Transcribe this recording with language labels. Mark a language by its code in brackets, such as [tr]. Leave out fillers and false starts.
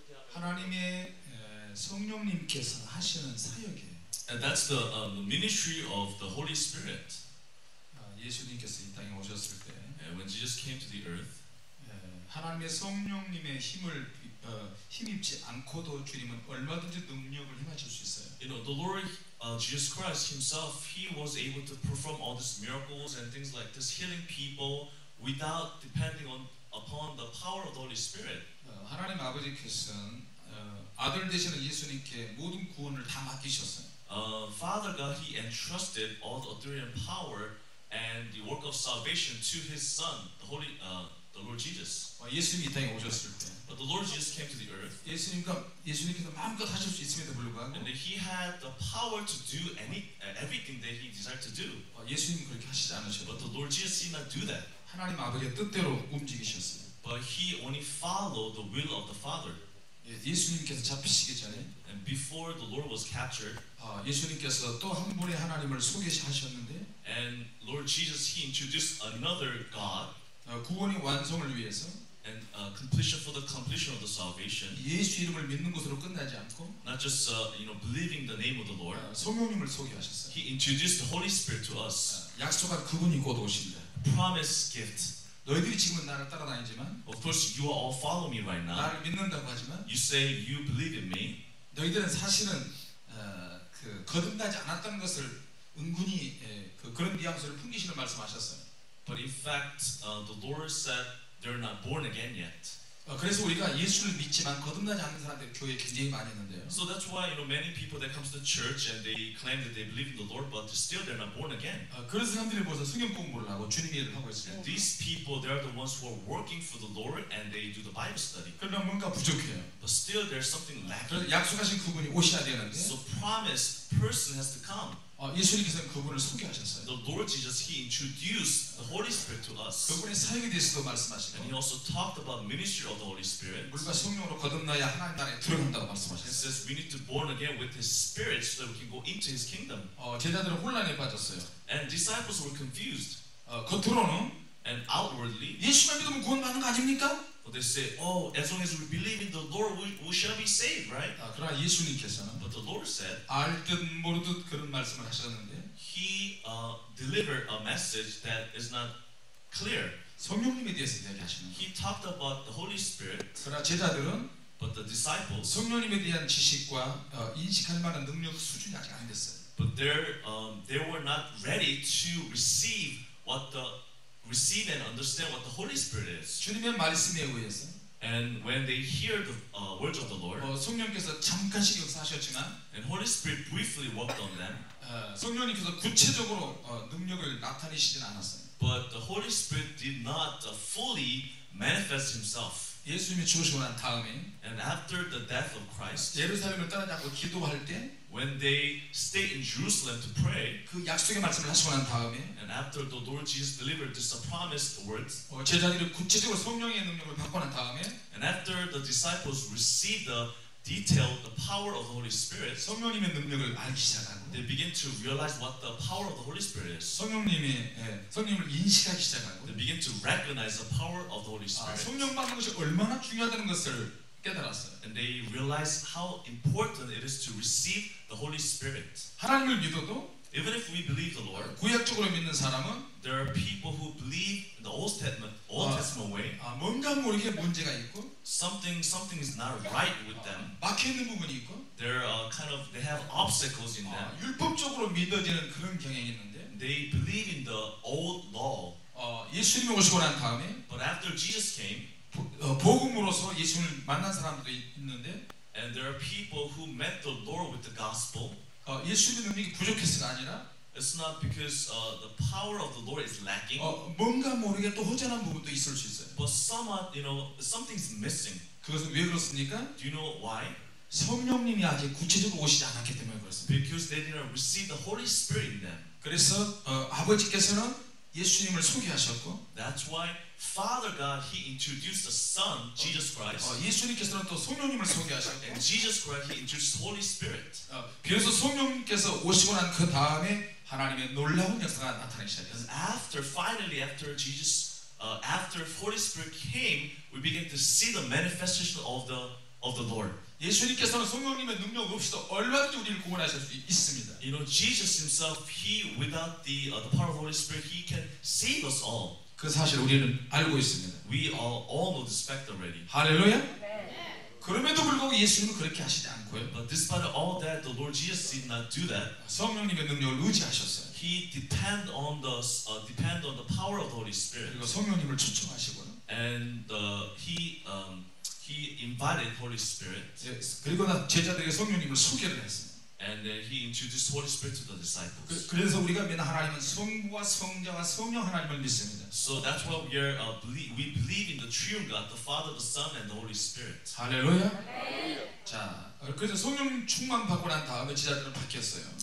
[ko] 하나님의 성령님께서 하시는 사역에. [en] And that's the ministry of the Holy Spirit. [ko] 예수님께서 이 땅에 오셨을 때. [en] And when Jesus came to the earth. [ko] 하나님의 성령님의 힘을 힘입지 않고도 주님은 얼마든지 능력을 행하실 수 있어요. [en] You know, the Lord Jesus Christ Himself, He was able to perform all these miracles and things like this, healing people without depending upon the power of the Holy Spirit. [ko] 하나님 아버지께서는 아들 되시는 예수님께 모든 구원을 다 맡기셨어요. [en] Father God, He entrusted all the authority and power and the work of salvation to His Son, the Lord Jesus. [ko] 예수님이 이 땅에 오셨을 때. [en] But the Lord Jesus came to the earth. [ko] 예수님께서 마음껏 하실 수 있음에도 불구하고. [en] And He had the power to do everything that He desired to do. [ko] 예수님 그렇게 하시지 않으셨어요. [en] But the Lord Jesus did not do that. [ko] 하나님 아버지의 뜻대로 움직이셨어요. [en] But He only followed the will of the Father. [ko] 예수님께서 잡히시기 전에, [en] and before the Lord was captured, [ko] 예수님께서 또 한 분의 하나님을 소개하셨는데, [en] and Lord Jesus He introduced another God, [ko] 구원의 완성을 위해서, [en] and completion for the completion of the salvation, [ko] 예수 이름을 믿는 것으로 끝나지 않고, [en] not just you know believing the name of the Lord, [ko] 성령님을 소개하셨어요. [en] He introduced the Holy Spirit to us. [ko] 약속한 그분이 곧 오신다. [en] Promise gift. [ko] 너희들이 지금은 나를 따라다니지만, [en] of course you are all follow me right now. [ko] 나를 믿는다고 하지만, [en] you say you believe in me. [ko] 너희들은 사실은 그 거듭나지 않았던 것을 은근히 그런 뉘앙스를 풍기시는 말씀하셨어요. [en] But in fact, the Lord said they're not born again yet. [ko] 그래서 우리가 예수를 믿지만 거듭나지 않는 사람들 교회 굉장히 많이 있는데요. [en] So that's why you know many people that come to the church and they claim that they believe in the Lord, but still they're not born again. [ko] 그런 사람들이 벌써 성경 공부를 하고 주님 일을 하고 있어요. [en] These people, they are the ones who are working for the Lord and they do the Bible study. [ko] 그러나 뭔가 부족해요. [en] But still there's something lacking. [ko] 약속하신 그분이 오셔야 되는데. [en] So promised person has to come. [ko] 예수님께서 그분을 소개하셨어요. [en] The Lord Jesus He introduced the Holy Spirit to us. [ko] 그분의 사역에 대해서도 말씀하시고. [en] And He also talked about ministry of the Holy Spirit. [ko] 우리가 성령으로 거듭나야 하나님 나라에 들어간다고 말씀하셨어요. [en] He says we need to born again with His Spirit so that we can go into His kingdom. [ko] 제자들은 혼란에 빠졌어요. [en] And disciples were confused. [ko] 겉으로는 [en] and outwardly [ko] 예수만 믿으면 구원받는 거 아닙니까? [en] But they say, oh, as long as we believe in the Lord, we shall be saved, right? [ko] 그러나 예수님께서는, [en] but the Lord said, [ko] 알듯 모르듯 그런 말씀을 하셨는데, [en] He delivered a message that is not clear. [ko] 성령님에 대해서 이야기하시는. [en] He talked about the Holy Spirit. [ko] 그러나 제자들은, [en] but the disciples, [ko] 성령님에 대한 지식과 인식할 만한 능력 수준이 아직 안 됐어요. [en] But they were not ready to receive what the receive and understand what the Holy Spirit is. [ko] 주님의 말씀에 의해서, [en] and when they hear the words of the Lord, [ko] 성령께서 잠깐씩 역사하셨지만, [en] and Holy Spirit briefly worked on them. [ko] 성령님께서 구체적으로 능력을 나타내시진 않았어요. [en] But the Holy Spirit did not fully manifest Himself. [ko] 예수님이 죽으시고 난 다음에, [en] and after the death of Christ, [ko] 예루살렘을 떠나자고 기도할 때. [en] When they stay in Jerusalem to pray, [ko] 그 약속의 말씀을 하시고 난 다음에, [en] and after the Lord Jesus delivered this promised words, [ko] 제자들이 구체적으로 성령의 능력을 받고 난 다음에, [en] and after the disciples received the detail, the power of the Holy Spirit, [ko] 성령님의 능력을 알기 시작하고, [en] they begin to realize what the power of the Holy Spirit is. [ko] 성령님을 인식하기 시작하고, [en] they begin to recognize the power of the Holy Spirit. [ko] 성령 받는 것이 얼마나 중요하다는 것을 깨달았어요. [en] And they realize how important it is to receive the Holy Spirit. [ko] 하나님을 믿어도, [en] even if we believe the Lord, [ko] 구약적으로 믿는 사람은, [en] there are people who believe in the Old Testament way. [ko] 뭔가 모르게 문제가 있고, [en] something is not right with them. [ko] 막히는 부분이 있고, [en] there are kind of they have obstacles in them. [ko] 율법적으로 믿어지는 그런 경향이 있는데, [en] they believe in the old law. [ko] 예수님이 오시고 난 다음에, [en] but after Jesus came, [ko] 복음으로서 예수를 만난 사람도 있는데, [en] and there are people who met the Lord with the gospel. [ko] 예수님의 능력이 부족해서가 아니라, [en] it's not because the power of the Lord is lacking. [ko] 뭔가 모르게 또 허전한 부분도 있을 수 있어요. [en] But somewhat, you know, something's missing. [ko] 그것은 왜 그렇습니까? [en] Do you know why? [ko] 성령님이 아직 구체적으로 오시지 않았기 때문에 그렇습니다. [en] Because they didn't receive the Holy Spirit in them. [ko] 그래서 아버지께서는 예수님을 소개하셨고, [en] that's why Father God he introduced the Son Jesus Christ. [ko] 예수님께서는 또 성령님을 소개하셨고, [en] and Jesus Christ he introduced the Holy Spirit. [ko] 그래서 성령님께서 오시고 난 그 다음에 하나님의 놀라운 역사가 나타나기 시작했어요. [en] After finally after Jesus after Holy Spirit came, we begin to see the manifestation of the Lord. [ko] 예수님께서는 성령님의 능력 없이도 얼마든지 우리를 구원하실 수 있습니다. [en] You know, Jesus himself, he without the power of the Holy Spirit, he can save us all. [ko] 그 사실 우리는 알고 있습니다. [en] We all know this fact already. [ko] 할렐루야. 그럼에도 불구하고 예수님은 그렇게 하시지 않고요. [en] But despite all that, the Lord Jesus did not do that. [ko] 성령님의 능력을 의지하셨어요. [en] He depend on the depend on the power of the Holy Spirit. [ko] 그리고 성령님을 초청하시고요. [en] And he invited Holy Spirit. [ko] 그리고 나 제자들에게 성령님을 소개를 했습니다. [en] And then he introduced Holy Spirit to the disciples. [ko] 그래서 우리가 믿는 하나님은 성부와 성자와 성령 하나님을 믿습니다. [en] So that's what we are we believe in the triune God, the Father, the Son, and the Holy Spirit. [ko] 할렐루야. 자, 그래서 성령 충만 받고 난 다음에 제자들은 바뀌었어요.